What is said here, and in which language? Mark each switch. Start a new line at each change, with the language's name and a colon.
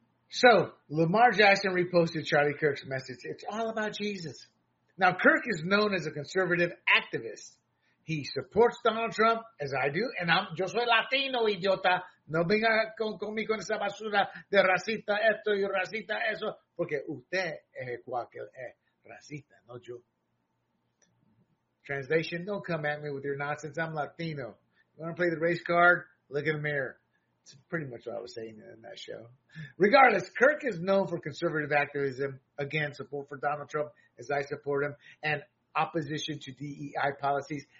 English: So, Lamar Jackson reposted Charlie Kirk's message. It's all about Jesus. Now, Kirk is known as a conservative activist. He supports Donald Trump, as I do, and I'm, yo soy Latino, idiota.
Spanish: No venga conmigo en esa basura de racista esto y racista eso, porque usted es cualquier racista, no yo.
English: Translation, don't come at me with your nonsense. I'm Latino. You want to play the race card? Look in the mirror. It's pretty much what I was saying in that show. Regardless, Kirk is known for conservative activism. Again, support for Donald Trump, as I support him, and opposition to DEI policies.